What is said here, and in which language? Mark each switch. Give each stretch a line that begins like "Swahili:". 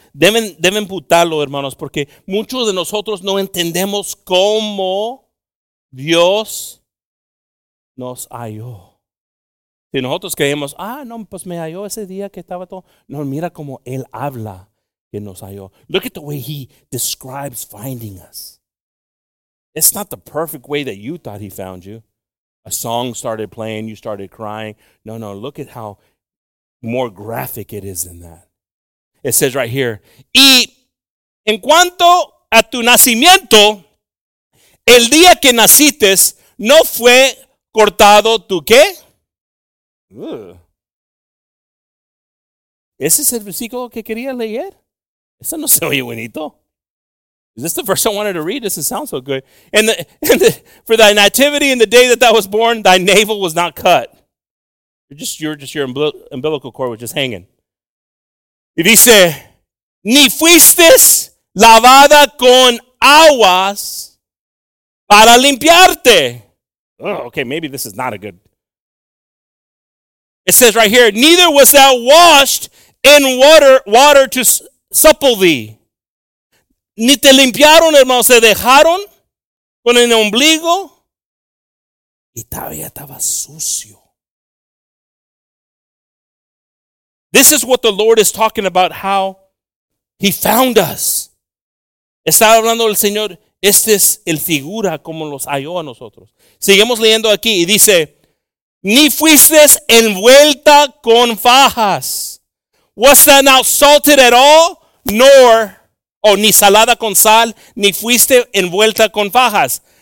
Spanish: Deben putarlo, hermanos, porque muchos de nosotros no entendemos cómo Dios nos halló. Si nosotros creemos, no, pues me halló ese día que estaba todo. No, mira cómo Él habla que nos halló.
English: Look at the way He describes finding us. It's not the perfect way that you thought He found you. A song started playing, you started crying. No, no, look at how more graphic it is than that. It says right here,
Spanish: y en cuanto a tu nacimiento, el día que naciste, ¿no fue cortado tu qué? ¿Ese es el versículo que quería leer? Eso no se oye bonito.
English: Is this the verse I wanted to read? This doesn't sound so good. For thy nativity in the day that thou was born, thy navel was not cut. You're just your umbilical cord was just hanging.
Spanish: Y dice, ni fuistes lavada con aguas para limpiarte.
English: Oh, okay, maybe this is not a good. It says right here, neither was thou washed in water to supple thee.
Spanish: Ni te limpiaron, hermano, se dejaron con el ombligo y todavía estaba sucio.
English: This is what the Lord is talking about, how He found us.
Spanish: Estaba hablando el Señor, este es el figura como los halló a nosotros. Seguimos leyendo aquí y dice, ni fuiste envuelta con fajas.
English: Was that not salted at all, nor...
Spanish: Oh, ni salada con sal, ni fuiste envuelta con fajas.